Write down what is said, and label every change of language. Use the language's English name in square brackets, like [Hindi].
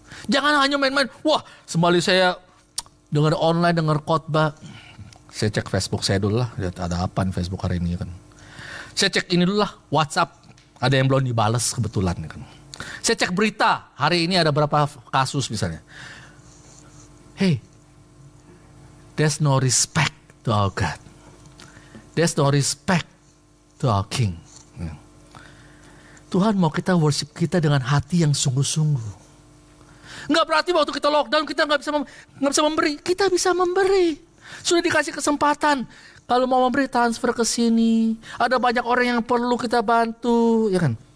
[Indonesian] Jangan hanya main-main. Wah, sembali saya dengar online, dengar khotbah. Saya cek Facebook saya dulu lah. Lihat ada apa nih Facebook hari ini, kan. Saya cek ini dulu lah, WhatsApp. Ada yang belum dibalas kebetulan, kan. Saya cek berita. Hari ini ada berapa kasus misalnya. [English] Hey, there's no respect to our God. There's no respect to our King. [Indonesian] Tuhan mau kita worship kita dengan hati yang sungguh-sungguh. Enggak berarti waktu kita lockdown kita enggak bisa memberi. Kita bisa memberi. Sudah dikasih kesempatan. Kalau mau memberi transfer ke sini, ada banyak orang yang perlu kita bantu, ya kan?